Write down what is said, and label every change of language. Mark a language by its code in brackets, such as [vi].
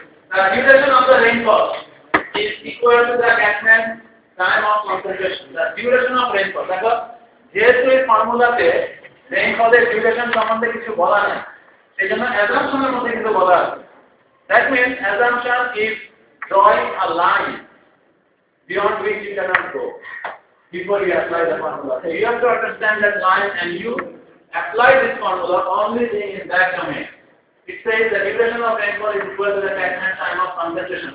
[en] The duration of the rainfall is equal to the catchment time of concentration. The duration of rainfall, that is, this is [bn] ফর্মুলাতে রেইনফলের duration সম্বন্ধে কিছু বলা নেই, সেই জন্য অ্যাসাম্পশনের মধ্যে কিন্তু বলা আছে। [en] That means assumption is drawing a line beyond which you cannot go before you apply the formula. So you have to understand that line and you apply this formula only in that domain. It says the duration of rainfall is equal to the catchment time of concentration.